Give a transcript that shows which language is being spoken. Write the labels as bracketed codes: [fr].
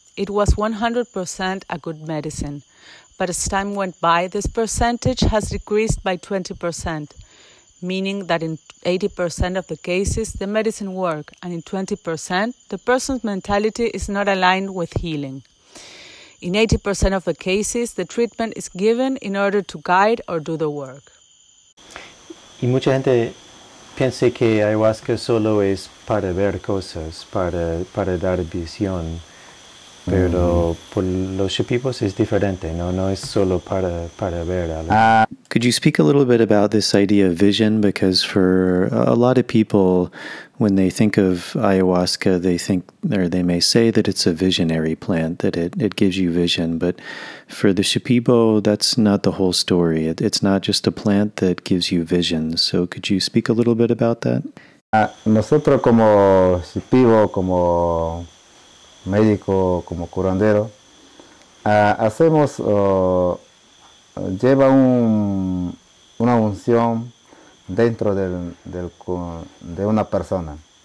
[en] It was 100% a good medicine, but as time went by, this percentage has decreased by 20%, meaning that in 80% of the cases, the medicine works, and in 20%, the person's mentality is not aligned with healing. In 80% of the cases, the treatment is given in order to guide or do the work. [es] Y mucha gente piensa que ayahuasca solo es para ver cosas, para dar visión. Pero por los Shipibo es diferente, no es solo para ver algo. [en] Could you speak a little bit about this idea of vision? Because for a lot of people, when they think of ayahuasca, they think, or they may say that it's a visionary plant, that it gives you vision. But for the Shipibo, that's not the whole story. It's not just a plant that gives you vision. So could you speak a little bit about that? [es] Nosotros como Shipibo, como médico, como curandero, hacemos, lleva una unción dentro de una persona.